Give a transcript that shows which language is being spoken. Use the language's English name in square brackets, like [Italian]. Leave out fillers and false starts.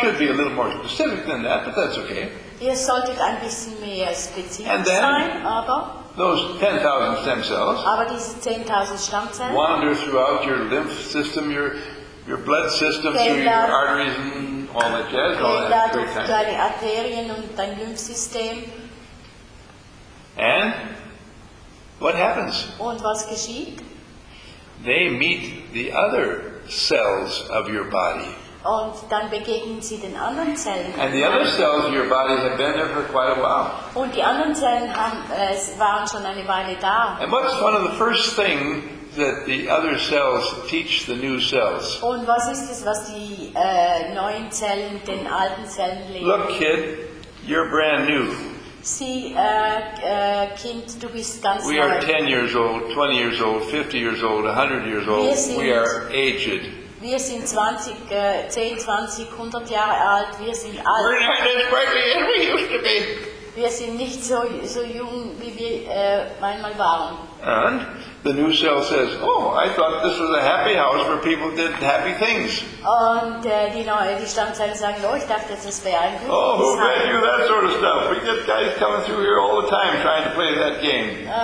[English] Should be a little more specific than that, but that's okay. [German] Ihr solltet ein bisschen mehr spezifisch sein, aber... [English] Those 10,000 stem cells. [German] Aber diese 10,000 Stammzellen [English] wander throughout your lymph system, your blood system, through your arteries and all that jazz, all that great time. [German] Deine Arterien und dein Lymphsystem. [English] And what happens? [German] Und was geschieht? [English] They meet the other cells of your body. [German] Und dann begegnen sie den anderen Zellen. [English] And the other cells of your body have been there for quite a while. [German] Und die anderen Zellen waren schon eine Weile da. [English] And what's one of the first things that the other cells teach the new cells? [German] Und was ist es, was die neuen Zellen den alten Zellen lehren? [English] Look, kid, you're brand new. [German] Sieh, Kind, du bist ganz neu. [English] We are 10 years old, 20 years old, 50 years old, 100 years old. We are aged. [German] Wir sind 20, 10, 20, 100 Jahre alt. Wir sind alt. [English] We're not as pretty as we used to be. [German] Wir sind nicht so jung, wie wir einmal waren. [English] And the new cell says, oh, I thought this was a happy house where people did happy things. [German] Und die Stammzellen sagen, oh, ich dachte, das wäre ein gutes Haus. [English] Oh, who bet you that sort of stuff? We get guys coming through here all the time trying to play that game.